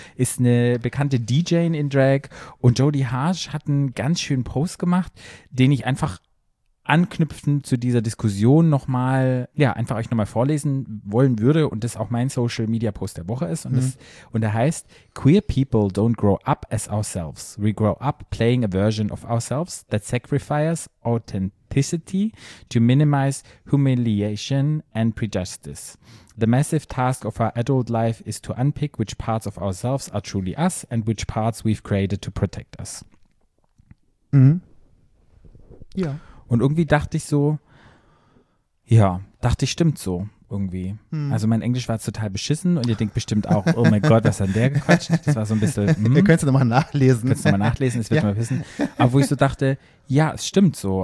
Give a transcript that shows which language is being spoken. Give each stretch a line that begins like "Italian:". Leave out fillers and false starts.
German: Ist eine bekannte DJ in Drag. Und Jodie Harsh hat einen ganz schönen Post gemacht, den ich einfach anknüpfend zu dieser Diskussion nochmal, ja, einfach euch nochmal vorlesen wollen würde. Und das auch mein Social Media Post der Woche ist. Und der heißt:
English: Queer people don't grow up as ourselves. We grow up playing a version of ourselves that sacrifices authenticity to minimize humiliation and prejudice. The massive task of our adult life is to unpick which parts of ourselves are truly us and which parts we've created to protect us.
German: Ja. Und irgendwie dachte ich so, ja, dachte ich, stimmt so irgendwie. Also mein Englisch war total beschissen, und ihr denkt bestimmt auch, oh mein Gott, was hat der gequatscht? Das war so ein bisschen, Ihr könnt es nochmal nachlesen. Könnt es nochmal nachlesen, das wird mal wissen. Aber wo ich so dachte, ja, es stimmt so.